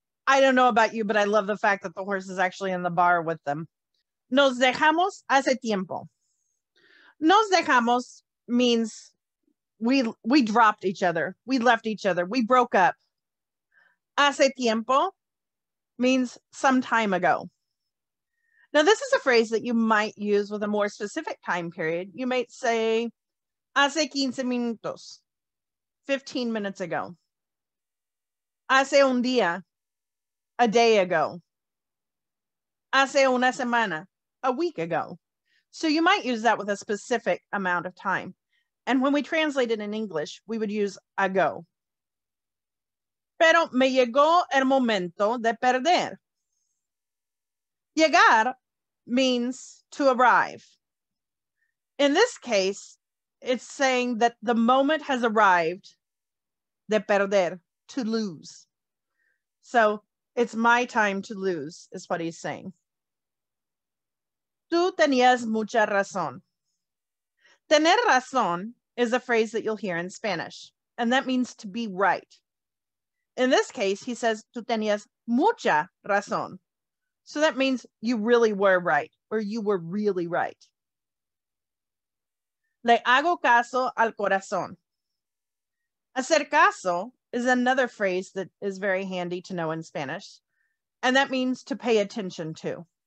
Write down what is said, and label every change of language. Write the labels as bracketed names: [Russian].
[English] I don't know about you, but I love the fact that the horse is actually in the bar with them. [Spanish] Nos dejamos hace tiempo. Nos dejamos [English] means we dropped each other. We left each other. We broke up. [Spanish] Hace tiempo [English] means some time ago. Now, this is a phrase that you might use with a more specific time period. You might say, [Spanish] hace 15 minutos, [English] 15 minutes ago. [Spanish] Hace un día, [English] a day ago. [Spanish] Hace una semana, [English] a week ago. So you might use that with a specific amount of time. And when we translate it in English, we would use ago. [Spanish] Pero me llegó el momento de perder. [English] Llegar means to arrive. In this case, it's saying that the moment has arrived [Spanish] de perder, [English] to lose. So it's my time to lose is what he's saying. [Spanish] Tú tenías mucha razón. Tener razón [English] is a phrase that you'll hear in Spanish, and that means to be right. In this case, he says, [Spanish] tú tenías mucha razón. [English] So that means you really were right, or you were really right. [Spanish] Le hago caso al corazón. Hacer caso [English] is another phrase that is very handy to know in Spanish, and that means to pay attention to.